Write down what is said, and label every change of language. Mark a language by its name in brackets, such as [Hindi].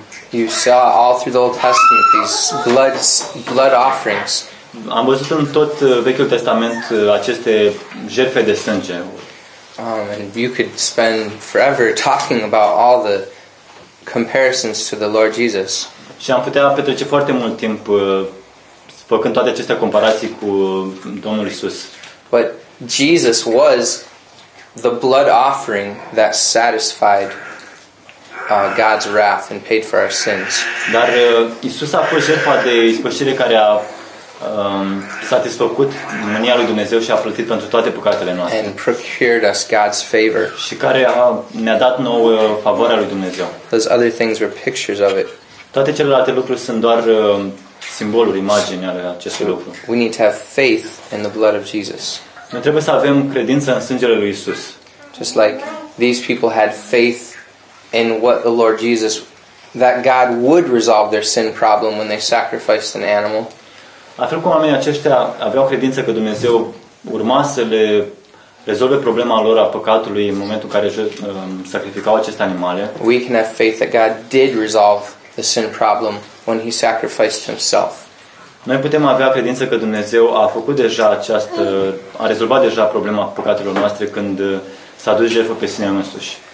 [English] You saw all through the Old Testament these blood offerings. [Romanian] Am văzut în tot Vechiul Testament aceste jertfe de sânge. [English] And you could spend forever talking about all the comparisons to the Lord Jesus. [Romanian] Și am putea petrece foarte mult timp făcând toate aceste comparații cu Domnul Isus. [English] But Jesus was the blood offering that satisfied God's wrath and paid for our sins. [Romanian] Dar Isus a fost jertfa de ispășire care a satisfăcut mânia lui Dumnezeu și a plătit pentru toate păcatele noastre. [English] And procured us God's favor. [Romanian] Și care ne-a dat nouă favoarea lui Dumnezeu. [English] Those other things were pictures of it. [Romanian] Toate celelalte lucruri sunt doar simboluri, imagini ale acestui lucru. [English] We need to have faith in the blood of Jesus. [Romanian] Noi trebuie să avem credință în sângele lui Isus. [English] Just like these people had faith in what the Lord Jesus, that God would resolve their sin problem when they sacrificed an animal. [Romanian] La fel cum oamenii aceștia aveau credință că Dumnezeu urma să le rezolve problema lor a păcatului în momentul în care sacrificau aceste animale. [English] We can have faith that God did resolve the sin problem when he sacrificed himself. [Romanian] Noi putem avea credință că Dumnezeu a făcut deja această a rezolvat deja problema păcatelor noastre când s-a dus jertfă pe sine însuși.